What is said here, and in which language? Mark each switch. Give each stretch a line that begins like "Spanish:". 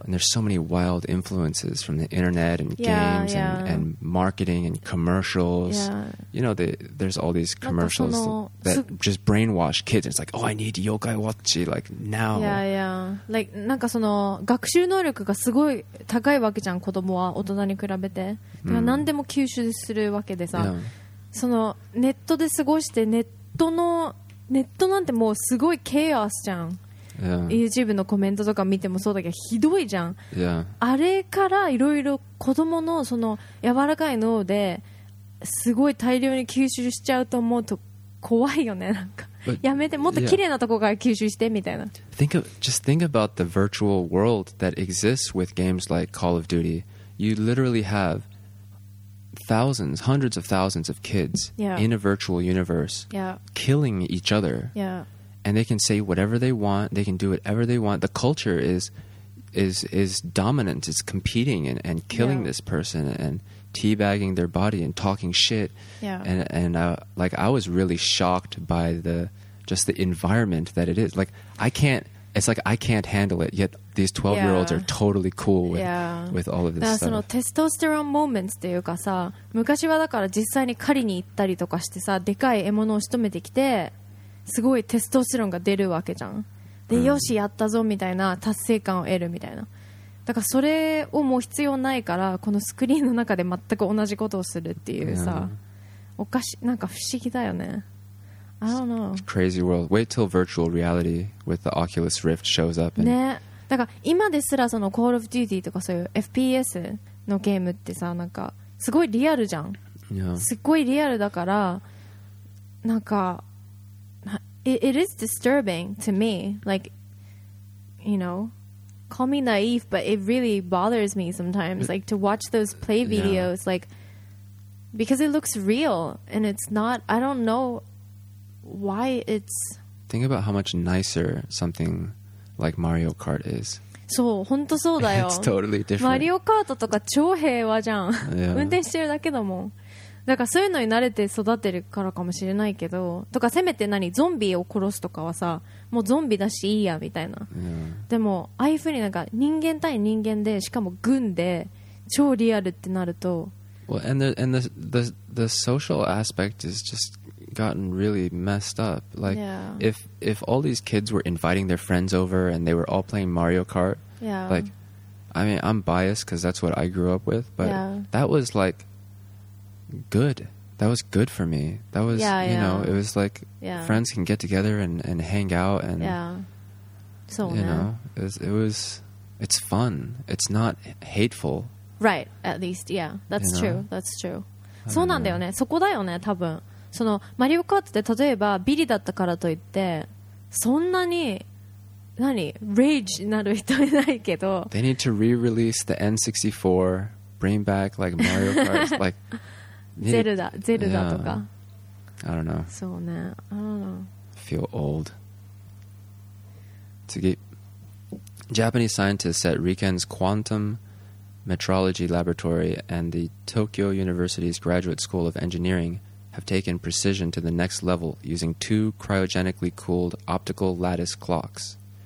English: and there's so many wild influences from the internet and games and marketing and commercials. Yeah. You know, there's all these commercials that just brainwash kids. It's like, "Oh, I need yokai watchy like now." Yeah, yeah.
Japanese: Like, なんかその学習能力がすごい高いわけじゃん、子供は大人に比べて。だから何でも吸収するわけでさ。そのネットで過ごして、ネットなんてもうすごいケアスじゃん。
English: Yeah.
Japanese: YouTube のコメントとか見てもそうだけど、ひどいじゃん。
English: Yeah.
Japanese: あれからいろいろ子どもの その柔らかい脳ですごい大量に吸収しちゃうと思うと怖いよね。なんか
English: But,
Japanese: やめて、もっときれいなとこから吸収してみたいな。
English: Think about the virtual world that exists with games like Call of Duty. You literally have thousands, hundreds of thousands of kids in a virtual universe killing each other. Yeah. And they can say whatever they want. They can do whatever they want. The culture is dominant. It's competing and killing this person and teabagging their body and talking shit. Yeah. And I was really shocked by the environment that it is. Like I can't handle it. Yet these 12-year-olds are totally cool with all of this stuff.
Japanese: だからそのテストステロンモーメンツっていうかさ、昔はだから実際に狩りに行ったりとかしてさ、でかい獲物を仕留めてきて。すごいテストステロンが出るわけじゃん。で、よしやったぞみたいな達成感を得るみたいな。だからそれをもう必要ないから、このスクリーンの中で全く同じことをするっていうさ、おかしい、なんか不思議だよね。
English: I don't know. Crazy world. Wait till virtual reality with the Oculus Rift shows up.
Japanese: ね。だから今ですらその Call of Duty とかそういう FPS のゲームってさ、なんかすごいリアルじゃん。
English: Yeah.
Japanese: すっごいリアルだから、なんか、
English: it is disturbing to me. Like, you know, call me naive, but it really bothers me sometimes. Like to watch those play videos, yeah. like because it looks real and it's not. I don't know why it's. Think about how much nicer something like Mario Kart is.
Japanese: そう、本当そうだよ。
English: It's totally different.
Japanese: マリオカートとか超平和じゃん。
English: Yeah.
Japanese: 運転してるだけだもん。だからそういうのに慣れて育てるからかもしれないけど、とかせめて何ゾンビを殺すとかはさ、もうゾンビだしいいやみたいな、
English: yeah.
Japanese: でもああいう風になんか人間対人間でしかも軍で超リアルってなると、
English: well, and the social aspect has just gotten really messed up. Like、 yeah. if all these kids were inviting their friends over and they were all playing Mario Kart,、 yeah. like I mean I'm biased because that's what I grew up with, but、 yeah. that was like. Good. That was good for me. That was, yeah, you know, it was like、 yeah. friends can get together and hang out and, yeah. So, you、 man. know, it was, it's fun. It's not hateful. Right. At least, yeah. That's、 you、 true.、 That's true.
Japanese: そうなんだよね。そこだよね、多分。その、マリオカートって例えばビリだったからといって、そんなに、何、rage になる人いないけど。
English: They need to re-release the N64, bring back like Mario Kart, like,
Japanese: ゼルダ とか、
English: yeah. I don't know.
Japanese: そうね、
English: I don't know. Feel old. 次、Japanese scientists at Riken's Quantum Metrology Laboratory and the Tokyo University's Graduate School of Engineering have taken precision to the next level using two cryogenically cooled optical lattice clocks.